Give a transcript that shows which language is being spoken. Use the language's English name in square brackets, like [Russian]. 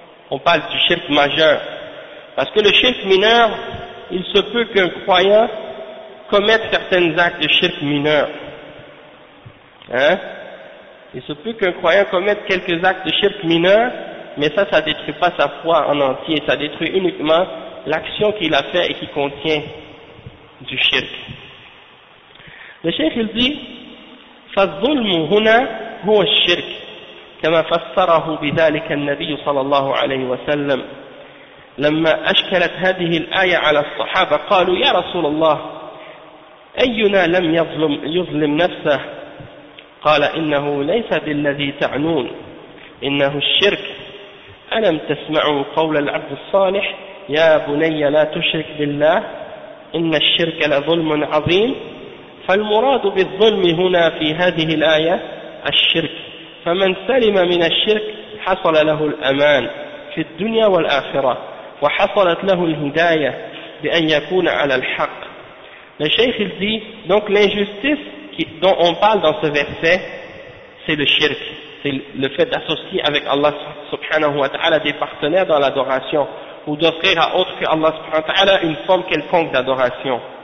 [French] On parle du shirk majeur. Parce que le shirk mineur, il se peut qu'un croyant commette certains actes de shirk mineur. Hein? Il se peut qu'un croyant commette quelques actes de shirk mineur, mais ça, ça ne détruit pas sa foi en entier. Ça détruit uniquement l'action qu'il a fait et qui contient du shirk. Le shirk, il dit, [Arabic] « فَالظُّلْمُ هُنَا هُوَ الشِّرْكِ كَمَا فَسَّرَهُ بِذَلِكَ النَّبِيُّ صَلَى اللَّهُ عَلَيْهِ وَسَلَّمُ لما أشكلت هذه الآية على الصحابة قالوا يا رسول الله أينا لم يظلم نفسه قال إنه ليس بالذي تعنون إنه الشرك ألم تسمعوا قول العبد الصالح يا بني لا تشرك بالله إن الشرك لظلم عظيم. فالمراد بالظلم هنا في هذه الآية الشرك، فمن سلم من الشرك حصل له الأمان في الدنيا والآخرة، وحصلت له الهداية بأن يكون على الحق. [French] Le Cheikh il dit, donc l'injustice dont on parle dans ce verset, c'est le shirk, c'est le fait d'associer avec Allah subhanahu wa ta'ala des partenaires dans l'adoration, ou d'offrir à autre que Allah subhanahu wa ta'ala une forme quelconque d'adoration.